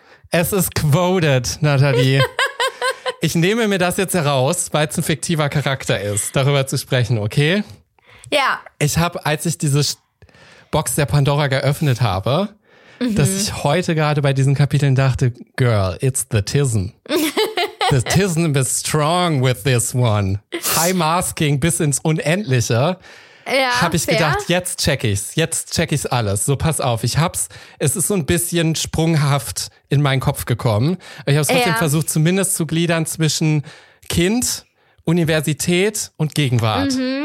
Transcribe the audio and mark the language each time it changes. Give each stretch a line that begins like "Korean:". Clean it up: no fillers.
German: Es ist quoted, Nathalie. Ich nehme mir das jetzt heraus, weil es ein fiktiver Charakter ist, darüber zu sprechen, okay? Ja. Ich habe, als ich diese Box der Pandora geöffnet habe, dass ich heute gerade bei diesen Kapiteln dachte,
English: girl, it's the tism. The tism is strong with this one. High masking
German: bis ins Unendliche. Ja, habe ich gedacht, jetzt check ich's. Jetzt check ich's alles. So, pass auf, ich hab's. Es ist so ein bisschen sprunghaft in meinen Kopf gekommen. Ich habe es trotzdem versucht, zumindest zu gliedern zwischen Kind, Universität und Gegenwart.